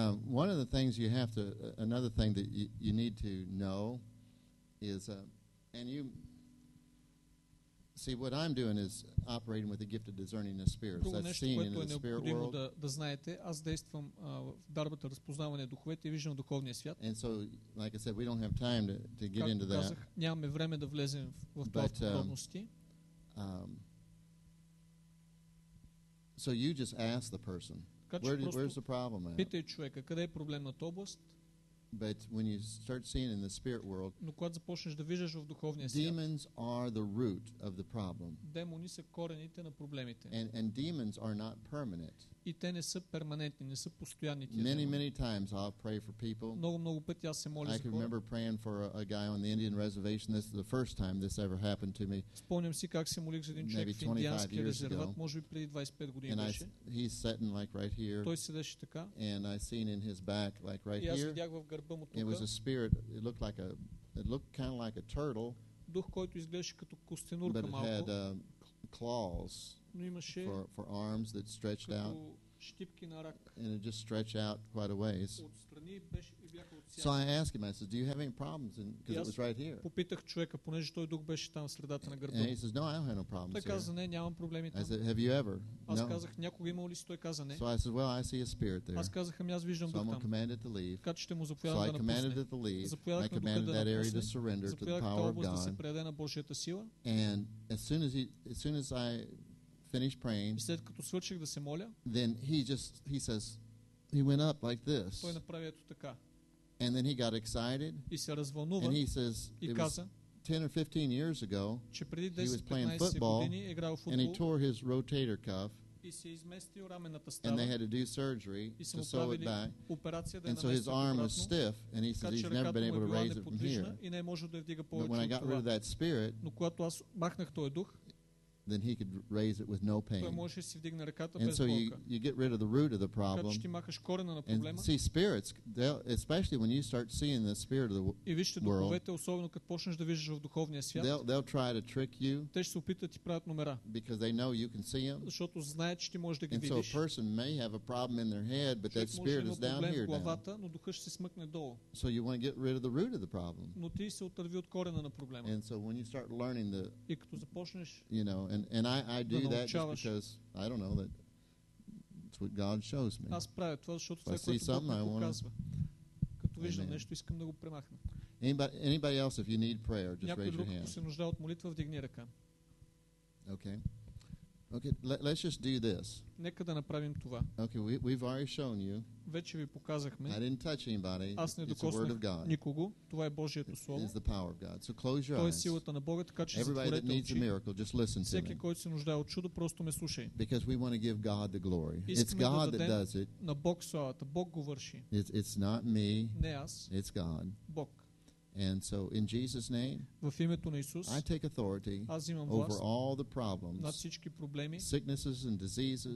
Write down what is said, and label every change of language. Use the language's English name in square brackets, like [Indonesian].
[English] One of the things you have to another thing that you need to know is and you see what I'm doing is operating with the gift of discerning the spirits. [Bulgarian] Друго [English] that's seen in the spirit world. [Bulgarian] Да знаете, аз действам в дарбата разпознаване духовете и виждам духовния свят. [English] And so like I said we don't have time to get into [Bulgarian] казах, [English] that. [Bulgarian] Нямаме време да влезем в това подробности. [English] So you just ask the person. Where's the problem at? [Bulgarian] Питай човека, къде е проблемът област? [English] But when you start seeing in the spirit world, [Bulgarian] но когато започнеш да виждаш в духовния свят, [English] demons are the root of the problem. [Bulgarian] Демони са корените на проблемите. [English] And demons are not permanent. [Bulgarian] И те не са перманентни, не са постоянни. [English] Many times I'll pray for people. [Bulgarian] Много пъти аз се моля за хора. [English] I remember praying for a guy on the Indian reservation. This is the first time this ever happened to me. [Bulgarian] Спомням си как се молих за един човек в индианския резерват, може би преди 25 години беше. [English] And he's sitting like right here. [Bulgarian] Той седеше така. [English] And I seen in his back like right here. [Bulgarian] И аз видях в гърба му тук. [English] It was a spirit. It looked like kind of like a turtle. [Bulgarian] Дух, който изглеждаше като костенурка малко. [English] But it had claws. [Bulgarian] Но имаше [English] for arms that stretched out [Bulgarian] щипки на рак. [English] And it just stretched out quite a ways. [Bulgarian] Отстрани беше и бяха от [English] So I asked him, I said, do you have any problems? Because it was right here. [Bulgarian] Попитах човека, понеже той дух беше там в средата на гърба. [English] And he says, no, I don't have no problems. [Bulgarian] Той каза, не, нямам проблеми там. [English] I said, have you ever? [Bulgarian] Аз казах, някога имал ли си? Той каза, не. [English] So I said, well, I see a spirit there. [Bulgarian] Аз казах, ами аз виждам дух там. [English] So I commanded to leave. [Bulgarian] Така че ще му заповядам да напусне. [English] So I commanded it to leave. [Bulgarian] Заповядах [English] I commanded that area to surrender to the power of God. [Bulgarian] Да се предаде на Божията сила. [English] And as soon as I finished praying. [Bulgarian] След като свърших да се моля, [English] then he says he went up like this. [Bulgarian] Той направи ето така. [English] And then he got excited. [Bulgarian] И се развълнува. [English] And he says, [Bulgarian] и каза, [English] 10 or 15 years ago, [Bulgarian] че преди 10, [English] he was playing football, [Bulgarian] играл футбол, [English] and he tore his rotator cuff, [Bulgarian] и се изместил раменната става, [English] and they had to do surgery to sew it back. [Bulgarian] Операция да [English] and so his arm was stiff, and he says he's never been able to raise it from here. [Bulgarian] И не може да я вдига повече. [English] But when I got rid of that spirit, [Bulgarian] но когато аз махнах този дух, [English] then he could raise it with no pain. [Bulgarian] Той може да си вдигне ръката [English] and so you get rid of the root of the problem. [Bulgarian] Като ще махаш корена на проблема. [English] And see spirits, especially when you start seeing the spirit of the world. [Bulgarian] И вижте духовете, особено като почнеш да виждаш в духовния свят. [English] They'll try to trick you. [Bulgarian] Те ще се опитат да ти правят номера. [English] Because they know you can see them. [Bulgarian] Защото знаят, че ти можеш да ги [English] and [Bulgarian] видиш. [English] And so a person may have a problem in their head, but that spirit is down here. [Bulgarian] Главата, но духът ще се смъкне долу. [English] So you want to get rid of the root of the problem. [Bulgarian] Но ти се отърви от корена на проблема. [English] And so when you start learning the, [Bulgarian] и като започнеш, [English] you know, and I do that just because I don't know that it's what God shows me. [Bulgarian] Аз правя това, защото това, което Бог ми показва. Като виждам нещо, искам да го премахна. [English] Anybody else, if you need prayer, just raise your hand. [Bulgarian] Ако се нуждае от молитва, вдигни ръка. [English] Okay. Okay, let's just do this. [Bulgarian] Нека да направим това. [English] Okay, we've already shown you. [Bulgarian] Вече ви показахме. [English] I didn't touch anybody. [Bulgarian] Аз не докоснах никого. Това е Божието слово. [English] It's the power of God. So close your eyes. [Bulgarian] Той е силата на Бога, така че затворете очи. [English] Everybody that needs a miracle, just listen to me. [Bulgarian] Всеки, който се нуждае от чудо, просто ме слушай. [English] Because we want to give God the glory. It's God that does it. [Bulgarian] На Бог славата. Бог го върши. [English] It's not me. [Bulgarian] Не аз. [English] It's God. [Bulgarian] Бог. [English] And so in Jesus' name, [Bulgarian] в името на Исус, [English] I take authority over all the problems, [Bulgarian] над всички проблеми, [English] sicknesses and diseases,